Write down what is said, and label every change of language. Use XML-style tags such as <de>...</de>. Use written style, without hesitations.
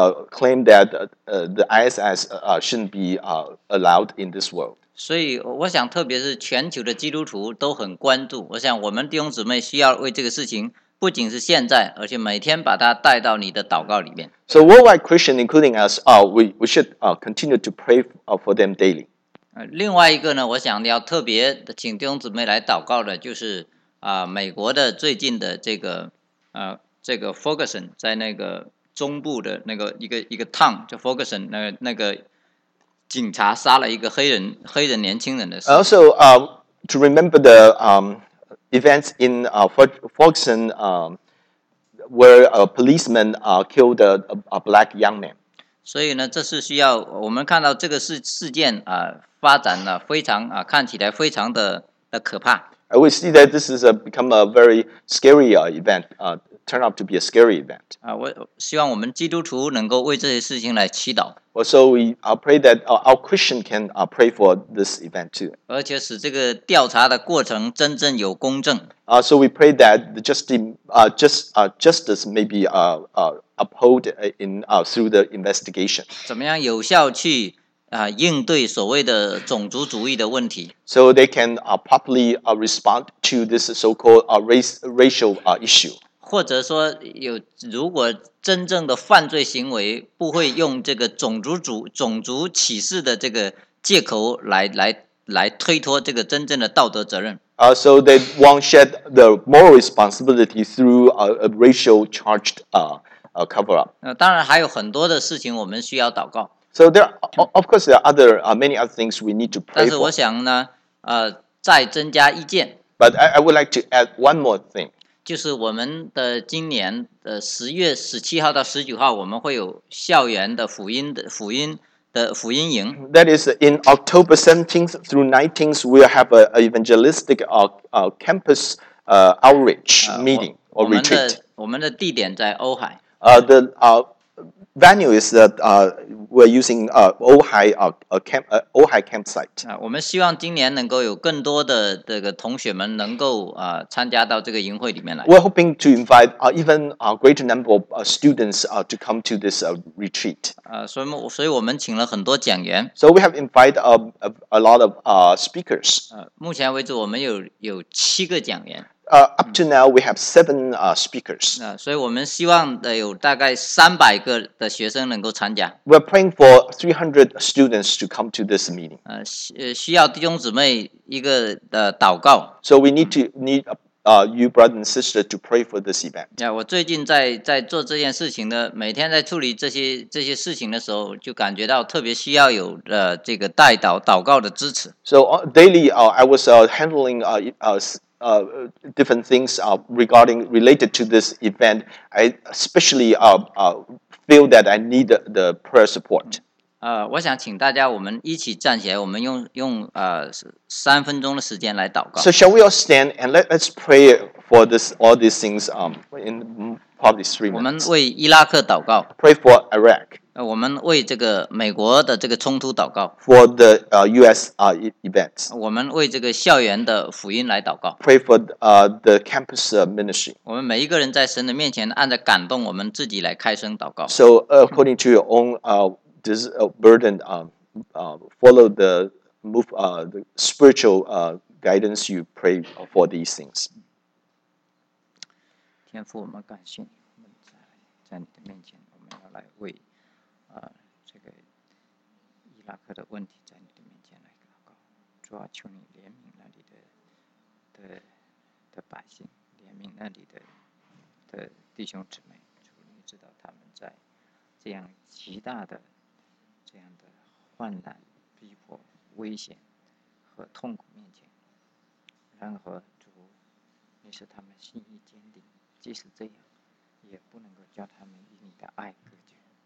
<en>claim that the ISIS shouldn't be allowed in this world.</en> <zh>所以我想特别是全球的基督徒都很关注，我想我们弟兄姊妹需要为这个事情不仅是现在，而且每天把它带到你的祷告里面。</zh> <en>So worldwide Christian including us, we should continue to pray for them daily.</en> <zh>另外一个呢，我想要特别请弟兄姊妹来祷告的就是美国的最近的这个这个 Ferguson 在那个中部的那个一个 town 叫 Ferguson， 那个警察杀了一个黑人年轻人的事。</zh> <en>Also, to remember the events in Ferguson, where a policeman killed a black young man.</en> <zh>所以呢，这是需要我们看到这个事件发展了非常看起来非常的可怕。</zh> <en>We see that this has become a very scary event. Turn out to be a scary event.</en> <zh>我希望我们基督徒能够为这些事情来祈祷。</zh> <en>Well, so we pray that our Christian can pray for this event too.</en> <zh>而且使这个调查的过程真正有公正。</zh> <en>So we pray that the justice may be upheld in through the investigation.</en> <zh>怎么样有效去应对所谓的种族主义的问题。</zh> <en>So they can properly respond to this so-called racial issue.</en> <zh>或者说如果真正的犯罪行为不会用这个种族歧视的这个借口 来推脱这个真正的道德责任。</zh> <en>So they won't shed the moral responsibility through a racial charged cover up.</en> <zh>当然还有很多的事情我们需要祷告。</zh> <en>So there are, of course, there are other, many other things we need to pray for.</en> <zh>但是我想呢再增加一件。</zh> <en>But I would like to add one more thing.</en> <zh>就是我们的今年的10月17号到19号，我们会有校园的福音营。</zh> <en>That is in October 17th through 19th, we have an evangelistic campus outreach meeting or retreat.</en> <zh>我们的地点在欧海。</zh> <en>The venue is that we're using Ojai camp Ojai campsite.</en> <zh>我们希望今年能够有更多的这个同学们能够参加到这个营会里面来。</zh> <en>We're hoping to invite even a greater number of students to come to this retreat.</en> <zh>所以我们请了很多讲员。</zh> <en>So we have invited a lot of speakers.</en> <zh>目前为止我们有七个讲员。</zh> <en>Up to now, we have seven speakers.</en> <zh>所以我们希望有大概300个的学生能够参加。</zh> <en>We're praying for 300 students to come to this meeting.</en> <zh>需要弟兄姊妹一个祷告。</zh> <en>So we need to need you brothers and sisters to pray for this event.</en> <zh>我最近在做这件事情的，每天在处理这些事情的时候，就感觉到特别需要有这个代祷告的支持。</zh> <en>So daily, I was handling different things regarding related to this event. I especially feel that I need the prayer support.</en> <zh>我想请大家我们一起站起来，我们用三分钟的时间来祷告。</zh> <en>So shall we all stand and let's pray for this all these things in probably 3 minutes.</en> <zh>我们为伊拉克祷告。</zh> <en>Pray for Iraq.</en> <zh>我们为这个美国的这个冲突祷告。</zh> <en>For the U.S. Events.</en> <zh>我们为这个校园的福音来祷告。</zh> <en>Pray for the campus ministry.</en> <zh>我们每一个人在神的面前按着感动，我们自己来开声祷告。</zh> <en>So according to your own burden, follow the move the spiritual guidance. You pray for these things.</en> <zh>天父，我们感谢你，我们在你的面前，我们要来为。这个伊拉克的问题在你的面前来祷告，主啊，求你怜悯那里的百姓，怜悯那里的弟兄姊妹，主，你知道他们在这样极大的这样的患难、逼迫、危险和痛苦面前，然而主，你使他们心意坚定，即使这样，也不能够叫他们与你的爱隔绝。</zh>